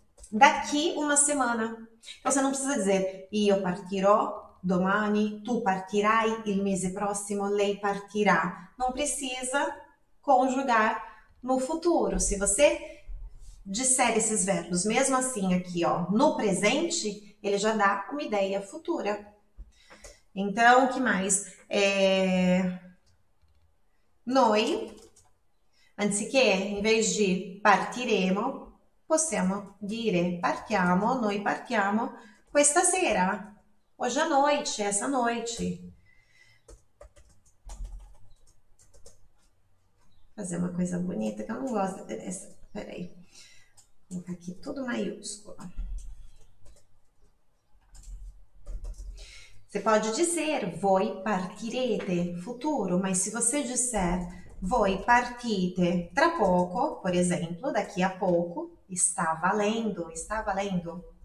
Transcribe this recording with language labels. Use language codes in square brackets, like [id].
[pt] Daqui uma semana. Então você não precisa dizer [it] io partirò domani, tu partirai il mese prossimo, lei partirà. [pt] Não precisa conjugar no futuro. Se você disser esses verbos, mesmo assim aqui, ó, no presente, ele já dá uma ideia futura. Então, o que mais? [it] Noi, anziché, [pt] in vez [it] di partiremo, possiamo dire partiamo, noi partiamo questa sera, oggi [pt] a noite, essa noite. Fazer uma coisa bonita que eu não gosto dessa. Peraí, vou colocar aqui tudo maiúsculo. Você pode dizer [it] voi partirete, [pt] futuro, mas se você disser [it] voi partite tra poco, [pt] por exemplo, daqui a pouco, está valendo, está valendo.